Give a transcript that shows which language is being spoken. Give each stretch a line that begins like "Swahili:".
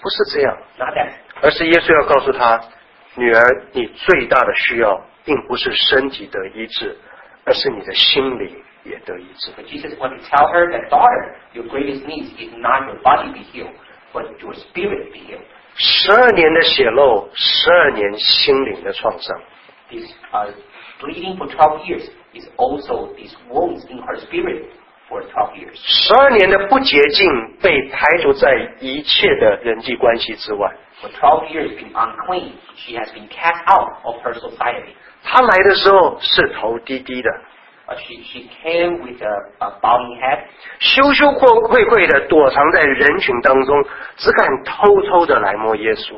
Chinese: 不是这样。
English: Not that.
Chinese: 而是耶稣要告诉他，女儿，你最大的需要。并不是身体得医治，而是你的心灵也得医治。
English: But Jesus wants to tell her that daughter, your greatest need is not your body be healed, but your spirit be healed.
Chinese: 十二年的血漏，十二年心灵的创伤。
English: This bleeding for 12 years is also these wounds in her spirit for 12 years.
Chinese: 十二年的不洁净被排除在一切的人际关系之外。
English: For 12 years being unclean, she has been cast out of her society.
Chinese: 他来的时候是头低低的
English: she came with a bowing head
Chinese: 羞羞愧愧的躲藏在人群当中只敢偷偷的来摸耶稣